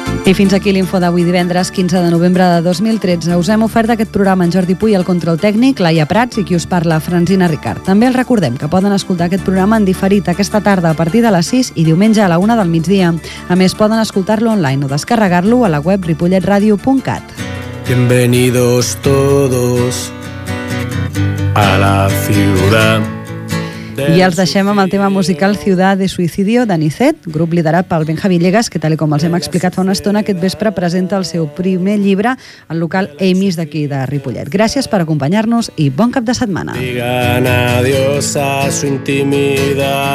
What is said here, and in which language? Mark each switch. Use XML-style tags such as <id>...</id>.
<ca>I fins aquí l'info d'avui divendres 15 de novembre de 2013. Us hem ofert aquest programa en Jordi Puy, el control tècnic, Laia Prats i qui us parla, Francina Ricard. També els recordem que poden escoltar aquest programa en diferit aquesta tarda a partir de les 6 i diumenge a la 1 del migdia. A més, poden escoltar-lo online o descarregar-lo a la web ripolletradio.cat.</ca> <es>Bienvenidos todos a la ciudad.</es> <ca>I els deixem amb el tema musical Ciudad de Suicidio d'Anicet, grup liderat pel Benja Villegas, que tal com els hem explicat fa una estona, aquest vespre presenta el seu primer llibre al local Amy's d'aquí de Ripollet. Gràcies per acompanyar-nos i bon cap de setmana.</ca> <es>Digan adiós a su intimidad.</es>